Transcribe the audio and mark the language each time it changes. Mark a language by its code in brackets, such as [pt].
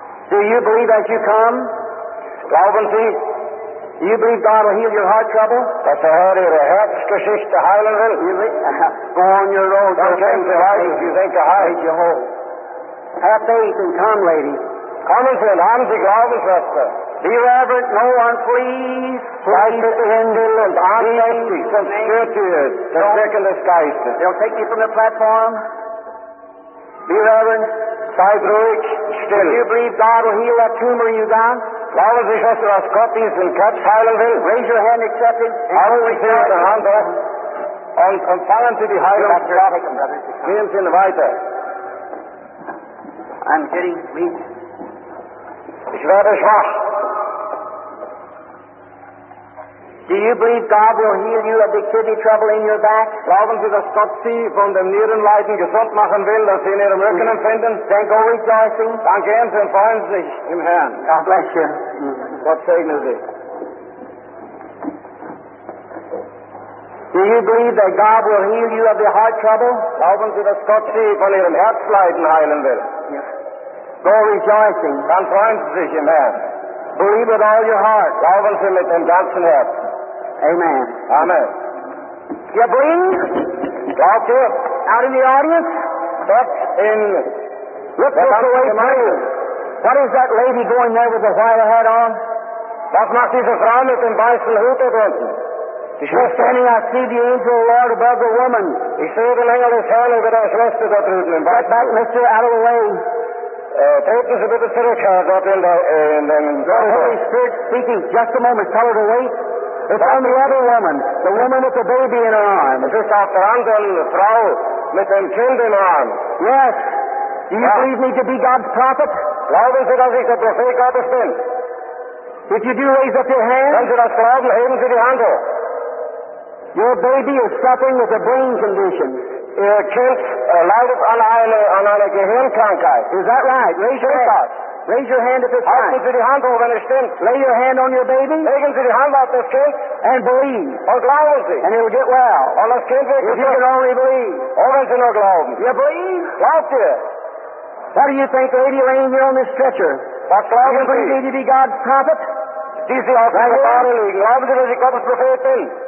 [en] Do you believe that you come? [de] Glauben Sie? [en] Do you believe God will heal your heart trouble? [de] Dass der Herr Ihre Herzgeschichte heilen will? [en] Go on your road. Don't change your heart if you think your heart is your whole. Have faith and come, lady. [de] Kommen Sie und haben Sie Glauben, Schwester. [en] Be reverent, no one, please. Christ is the handle and honesty. Some spiritual, the sick and disguised. They'll take you from the platform. Be reverent. [de] Sei ruhig, still. [en] Do you believe God will heal that tumor you got? [de] Glauben Sie, Schwester, dass Gott diesen Krebs heilen will? [en] Raise your hand, accept it. [de] Halten Sie die Hand hoch. Und fallen Sie die Heilung. Gehen Sie weiter. [en] I'm getting weak. [de] Ich werde schwach. [en] Do you believe God will heal you of the kidney trouble in your back? [de] Glauben Sie, dass Gott Sie von dem Nierenleiden gesund machen will, dass Sie in Ihrem Rücken empfinden? [en] Then go rejoicing. [de] Dann gehen Sie und freuen Sie sich im Herrn. [en] God bless you. [de] Gott segne Sie. [en] Do you believe that God will heal you of the heart trouble? [de] Glauben Sie, dass Gott Sie von Ihrem Herzleiden heilen will? [en] Go rejoicing. [de] Dann freuen Sie sich im Herrn. [en] Believe with all your heart. [de] Glauben Sie mit dem ganzen Herz. [en] Amen. [de] Amen. [en] You believe? [de] Glaubt ihr? [en] Out in the audience? But in... Look away from you. What is that lady going there with the white hat on? [de] Was macht diese Frau mit dem weißen Hut da drunten? Die Schwester. [en] I see the angel of the Lord above the woman. [de] Ich sehe den Engel des Herrn über der Schwester da drüben. [en] Get back, mister, out of the way. [de] Treten Sie bitte zurück, Herr, dort in den... [en] The Holy Spirit speaking, just a moment, tell her to wait. It's on the other woman, the woman with the baby in her arms. Is this after [de] anderen Frau mit dem Kind [en] in her arms? Yes. Do you believe me to be God's prophet? [de] Glauben Sie, dass ich der Prophet Gottes bin? [en] If you do raise up your hand... [de] Wenn Sie das glauben, heben Sie die Hand hoch. [en] Your baby is suffering with a brain condition. [de] Ihr Kind leidet an einer Gehirnkrankheit. [en] Is that right? Raise your hand. Raise your hand if it's right. [de] Halten Sie die Hand hoch, wenn es stimmt. [en] Lay your hand on your baby. [de] Legen Sie die Hand auf das Kind. [en] And believe. [de] Und glauben Sie. [en] And it'll get well. [de] Und das Kind wird gesund. [en] If you can only believe. [de] Oh, wenn Sie nur glauben. [en] You believe? [de] Glaubt ihr? [en] What do you think, lady laying here on this stretcher? [de] Was glauben Sie? [en] Do you believe to be God's prophet? [de] Die Sie auf dem Gebäude liegen. Glauben Sie, dass ich Gottes Prophet bin?